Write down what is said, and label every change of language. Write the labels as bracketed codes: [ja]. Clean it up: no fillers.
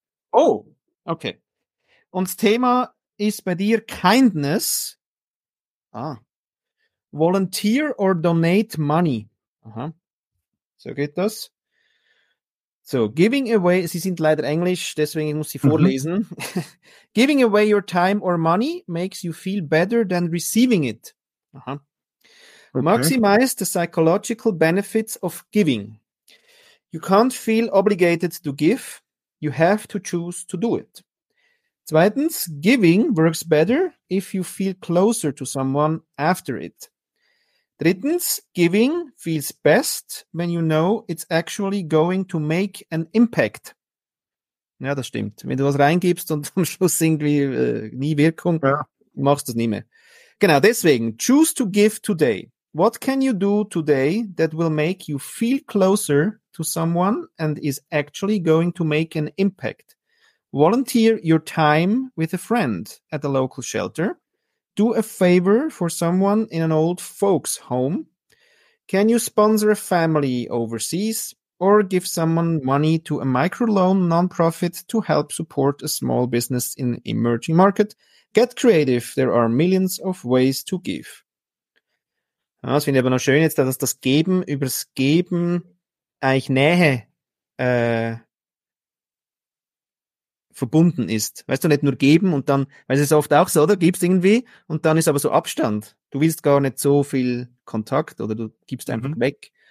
[de] Oh, okay. Und das Thema ist bei dir Kindness. Ah. [en] Volunteer or donate money. [de] Aha. So geht das. So, [en] giving away, [de] sie sind leider Englisch, deswegen muss ich sie vorlesen. [en] Giving away your time or money makes you feel better than receiving it. Aha. Okay. Maximize the psychological benefits of giving. You can't feel obligated to give. You have to choose to do it. Zweitens, giving works better if you feel closer to someone after it. Drittens, giving feels best when you know it's actually going to make an impact. [de] Ja, das stimmt. Wenn du was reingibst und am Schluss irgendwie nie Wirkung, ja, machst du es nicht mehr. Genau, deswegen, [en] choose to give today. What can you do today that will make you feel closer to someone and is actually going to make an impact? Volunteer your time with a friend at a local shelter. Do a favor for someone in an old folks home. Can you sponsor a family overseas or give someone money to a microloan nonprofit to help support a small business in an emerging market? Get creative. There are millions of ways to give. [de] Ja, das finde ich aber noch schön jetzt, dass das Geben übers Geben eigentlich Nähe verbunden ist. Weißt du, nicht nur geben und dann, weil es ist oft auch so, oder? Gibst irgendwie und dann ist aber so Abstand. Du willst gar nicht so viel Kontakt oder du gibst einfach weg.